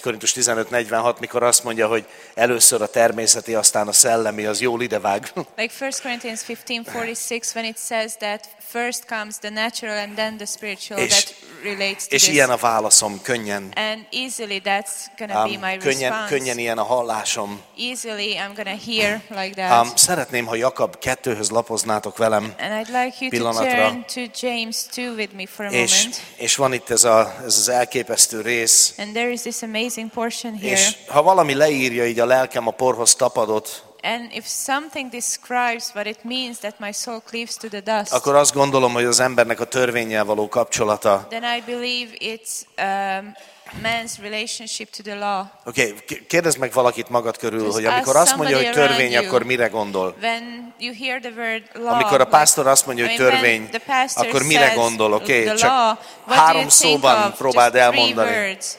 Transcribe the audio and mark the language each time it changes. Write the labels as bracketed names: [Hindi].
[Hungarian] Korintus 15:46, mikor azt mondja, hogy először a természeti, aztán a szellemi, az jól idevág. [English] Like 1 Corinthians 15:46, when it says that first comes the natural and then the spiritual, [Hungarian] és, [English] that relates to [Hungarian] és [English] this. [Hungarian] Ilyen a válaszom, könnyen. [English] And easily that's going to be my [Hungarian] könnyen, [English] response. [Hungarian] Könnyen ilyen a hallásom. [English] Easily I'm going to hear like that. [Hungarian] Szeretném, ha Jakab 2-höz lapoznátok velem pillanatra. [English] And I'd like you to turn to James 2 with me for a moment. [Hungarian] És van itt ez az elképesztő rész. [English] And there is this amazing portion here. [Hungarian] És ha valami leírja, így a lelkem a porhoz tapadott, [English] and if something describes what it means that my soul cleaves to the dust, [Hungarian] akkor azt gondolom, hogy az embernek a törvénnyel való kapcsolata. [English] Then I believe it's man's relationship to the law. [Hungarian] Okay, kérdezz meg valakit magad körül, just hogy amikor azt mondja, hogy törvény, akkor mire gondol? [English] When you hear the word law, [Hungarian] amikor a pásztor azt mondja, hogy törvény, akkor mire gondol? Okay, csak három szóban próbáld elmondani.